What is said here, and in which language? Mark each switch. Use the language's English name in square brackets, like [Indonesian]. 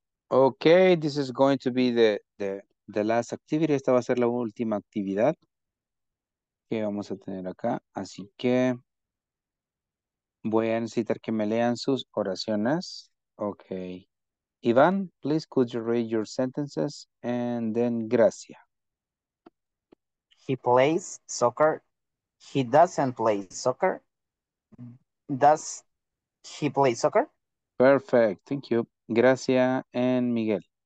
[English] Okay, this is going to be the last activity. [Spanish] Esta va a ser la última actividad que vamos a tener acá. Así que voy a necesitar que me lean sus oraciones. [English] Okay. Iván, please could you read your sentences and then Gracia. He plays soccer. He doesn't play soccer. Does he play soccer? Perfect. Thank you. Gracia and Miguel.